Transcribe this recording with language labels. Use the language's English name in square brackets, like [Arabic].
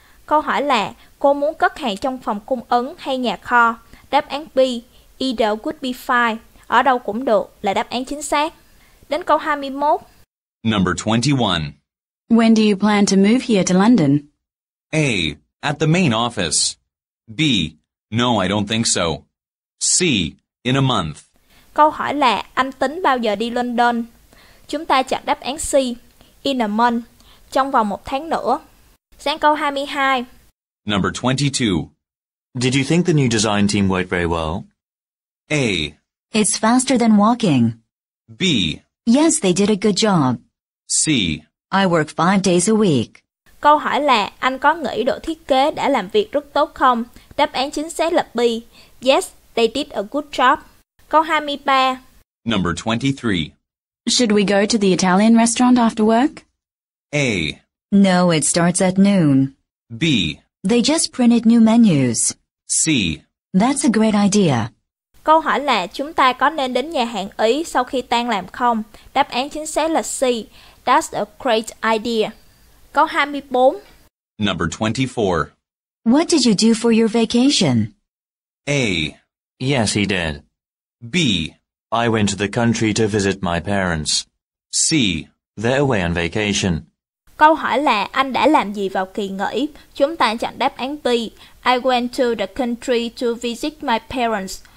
[Vietnamese] Câu hỏi là, cô muốn cất hàng trong phòng cung ứng hay nhà kho? Đáp án B. [English] Either would be fine. [Vietnamese] Ở đâu cũng được là đáp án chính xác. Đến câu 21. [English] Number 21. When do you plan to move here to London? A. At the main office. B. No, I don't think so. C. In a month. [Vietnamese] Câu hỏi là anh tính bao giờ đi London? Chúng ta chọn đáp án C. [English] In a month. [Vietnamese] Trong vòng một tháng nữa. Sang câu 22. [English] Number 22. Did you think the new design team worked very well? A. It's faster than walking. B. Yes, they did a good job. C. I work 5 days a week. [Vietnamese] Câu hỏi là anh có nghĩ đội thiết kế đã làm việc rất tốt không? Đáp án chính xác là B. [English] Yes, they did a good job. [Vietnamese] Câu 23. [English] Number 23. Should we go to the Italian restaurant after work? A. No, it starts at noon. B. They just printed new menus. C. That's a great idea. [Vietnamese] Câu hỏi là chúng ta có nên đến nhà hàng Ý sau khi tan làm không? Đáp án chính xác là C. [English] That's a great idea. [Vietnamese] Câu 24. [English] Number 24. What did you do for your vacation? A. Yes, he did. B. I went to the country to visit my parents. C. They're away on vacation. [Vietnamese] Câu hỏi là anh đã làm gì vào kỳ nghỉ? Chúng ta chọn đáp án B. [English] I went to the country to visit my parents.